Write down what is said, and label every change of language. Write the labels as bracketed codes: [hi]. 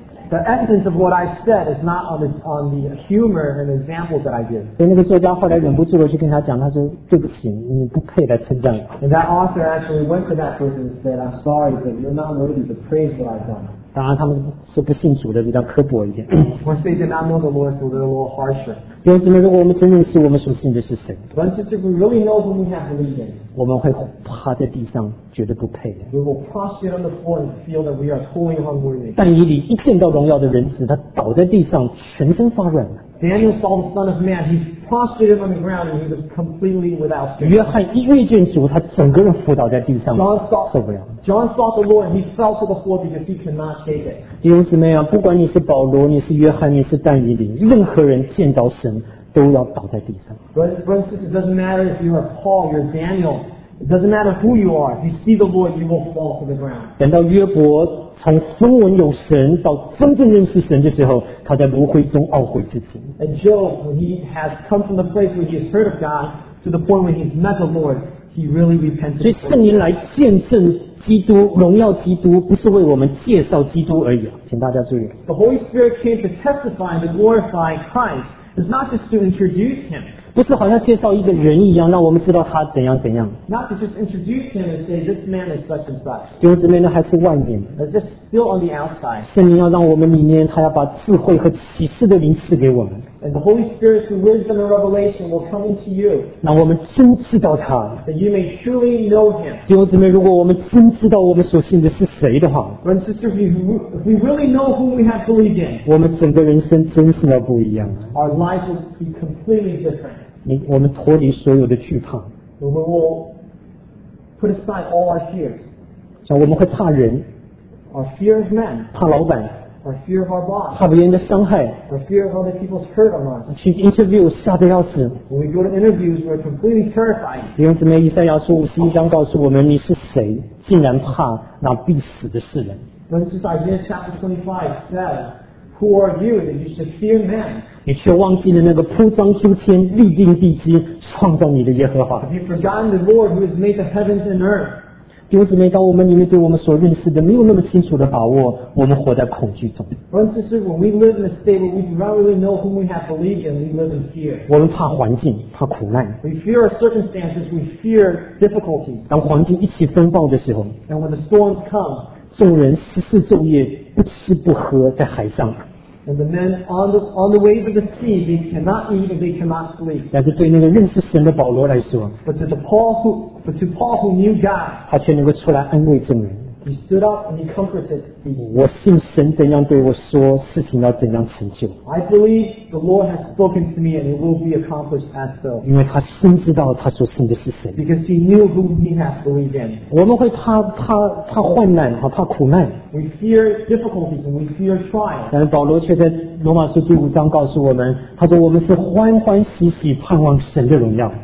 [en] The essence of what I've said is not on the humor and examples that I give. [zh] 那个作家后来忍不住了去跟他讲，他说对不起，你不配来称赞我。 [en] And that author actually went to that person and said, I'm sorry, but you're not worthy to praise what I've done. [zh] 当然他们是不信主的，比较刻薄一点。 [en] Of course, they did not know the Lord, so they're a little harsher. [zh] 弟兄姊妹，如果我们真认识我们所信的是谁， [en] Once if we really know whom we have believed in, [zh] 我们会趴在地上觉得不配的。 [en] We will prostrate on the floor and feel that we are totally unworthy. [zh] 但以理一见到荣耀的人子，他倒在地上全身发软。 [en] Daniel saw the Son of Man, he prostrated on the ground and he was completely without strength. [zh] 约翰一遇见主，他整个人伏倒在地上， [en] John saw, [zh] 受不了。 [en] John saw the Lord and he fell to the floor because he could not take it. [zh] 弟兄姊妹啊，不管你是保罗，你是约翰，你是但以理，任何人见到神都要倒在地上。 [en] Brothers, it doesn't matter if you are Paul, you're Daniel. It doesn't matter who you are. If you see the Lord, you will fall to the ground. [zh] 等到约伯从分文有神到真正认识神的时候，他在炉灰中懊悔自己。 [en] And Job, when he has come from the place where he has heard of God to the point where he's met the Lord, he really repented. [zh] 所以圣灵来见证基督、荣耀基督，不是为我们介绍基督而已，请大家注意。 [en] The Holy Spirit came to testify and to glorify Christ. It's not just to introduce him. [zh] 不是好像介绍一个人一样，让我们知道他怎样怎样。 [en] Not to just introduce him and say this man is such and such. [zh] 弟兄姊妹，那还是外面的。 [en] But just still on the outside. [zh] 圣灵要让我们里面，他要把智慧和启示的灵赐给我们。 [en] And the Holy Spirit through wisdom and revelation will come into you. [zh] 让我们真知道他。 [en] That you may truly know him. [zh] 弟兄姊妹，如果我们真知道我们所信的是谁的话 [en] ，Brothers and sisters, if we really know who we have believed in, [zh] 我们整个人生真是要不一样。 [en] Our life will be completely different. [zh] 我们脱离所有的惧怕。 [en] We will put aside all our fears. [zh] 像我们会怕人。 [en] Our fear of men. [zh] 怕老板。 [en] Our fear of our boss. [zh] 怕别人的伤害。 [en] Our fear of other people's hurt on us. [zh] 去 interview 吓得要死。 [en] When we go to interviews, we're completely terrified. [zh] 弟兄姊妹，以赛亚书五十一章告诉我们，你是谁，竟然怕那必死的世人。 [en] When it says Isaiah chapter 25 says. Who are you that you should fear man? [zh] 你却忘记了那个铺张诸天、立定地基、创造你的耶和华。 [en] Have you forgotten the Lord who has made the heavens and earth? [zh] 弟兄姊妹，当我们里面对我们所认识的没有那么清楚的把握，我们活在恐惧中。 [en] Brothers and sisters, when we live in a state where we do not really know whom we have believed in, we live in fear. [zh] 我们怕环境，怕苦难。 [en] We fear our circumstances. We fear difficulties. [zh] 当环境一起风暴的时候 [en] ，And when the storms come. [zh] 众人十四昼夜。不吃不喝在海上 [en] and the men on the waves of the sea they cannot eat and they cannot sleep [zh] 但是对那个认识神的保罗来说 [en] but to Paul who knew God [zh] 他却能够出来安慰众人 [en] he stood up and he comforted people [zh] 我信神怎样对我说事情要怎样成就 [en] I believe the Lord has spoken to me and it will be accomplished as so [zh] 因为他深知道他所信的是谁 [en] because he knew who he has believed in [zh] 我们会怕患难怕苦难 [en] We fear difficulties and we fear trials. [zh] 但是保罗却在罗马书第五章告诉我们，他说我们是欢欢喜喜盼望神的荣耀。